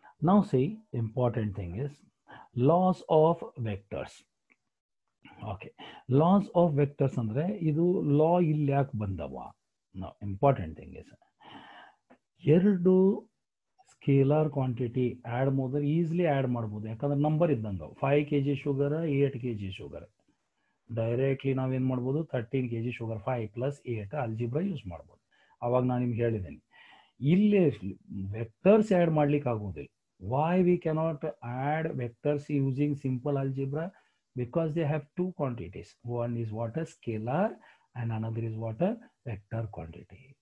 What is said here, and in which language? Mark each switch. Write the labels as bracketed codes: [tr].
[en] Now see important thing is laws of vectors. [kn] Okay, loss of vectors ಅಂದರೆ ಇದು ಲಾ ಇಲ್ಲಿ ಯಾಕೆ ಬಂದವ? ನೋ, [en] important thing is [kn] ಎರಡು ಸ್ಕೇಲಾರ್ ಕ್ವಾಂಟಿಟಿ ಆ್ಯಡ್ ಮಾಡಿದ್ರೆ ಈಸಿಲಿ ಆ್ಯಡ್ ಮಾಡ್ಬೋದು, ಯಾಕಂದ್ರೆ ನಂಬರ್ ಇದ್ದಂಗೆ. 5 kg sugar, 8 kg sugar directly ನಾವೇನು ಮಾಡ್ಬೋದು? 13 kg sugar 5 + 8 ಅಲ್ಜಿಬ್ರ ಯೂಸ್ ಮಾಡ್ಬೋದು. ಅವಾಗ ನಾನು ನಿಮ್ಗೆ ಹೇಳಿದ್ದೀನಿ ಇಲ್ಲಿ ವೆಕ್ಟರ್ಸ್ ಆ್ಯಡ್ ಮಾಡ್ಲಿಕ್ಕೆ ಆಗೋದಿಲ್ಲ. [en] Why we cannot add vectors using simple algebra? Because they have two quantities, one is what a scalar and another is what a vector quantity.